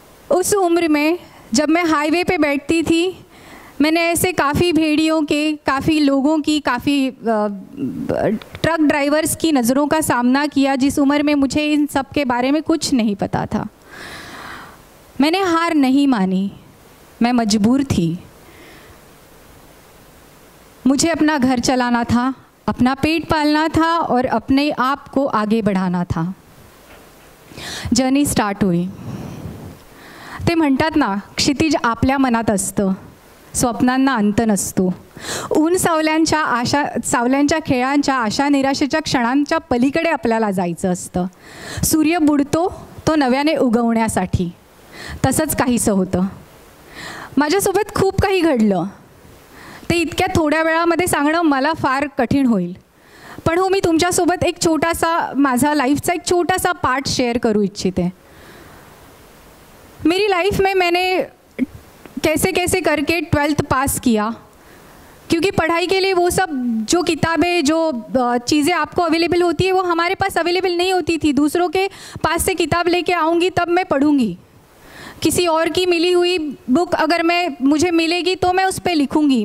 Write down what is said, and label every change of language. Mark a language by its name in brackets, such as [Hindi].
[Hindi] उस उम्र में जब मैं हाईवे पे बैठती थी, मैंने ऐसे काफ़ी भेड़ियों के, काफ़ी लोगों की, काफ़ी ट्रक ड्राइवर्स की नज़रों का सामना किया, जिस उम्र में मुझे इन सब के बारे में कुछ नहीं पता था। मैंने हार नहीं मानी, मैं मजबूर थी, मुझे अपना घर चलाना था, अपना पेट पालना था और अपने आप को आगे बढ़ाना था। जर्नी स्टार्ट हुई। [Marathi] ते म्हणतात ना, क्षितिज आपल्या मनात असतं, स्वप्नांना अंत नसतो। ऊन सावल्यांच्या आशा सावल्यांच्या खेळांच्या आशा निराशेच्या क्षणांच्या पलीकडे आपल्याला जायचं असतं। सूर्य बुडतो तो नव्याने उगवण्यासाठी, तसंच काहीसं होतं। माझ्यासोबत खूप काही घडलं, ते इतक्या थोड्या वेळामध्ये सांगणं मला फार कठीण होईल, पण हो, मी तुमच्यासोबत एक छोटासा माझा लाईफचा एक छोटासा पार्ट शेअर करू इच्छिते। [Hindi] मेरी लाईफ में मैंने कैसे कैसे करके ट्वेल्थ पास किया, क्योंकि पढ़ाई के लिए वो सब जो किताबें जो चीज़ें आपको अवेलेबल होती है वो हमारे पास अवेलेबल नहीं होती थी। दूसरों के पास से किताब लेके आऊँगी तब मैं पढ़ूँगी, किसी और की मिली हुई बुक अगर मैं मुझे मिलेगी तो मैं उस पर लिखूँगी।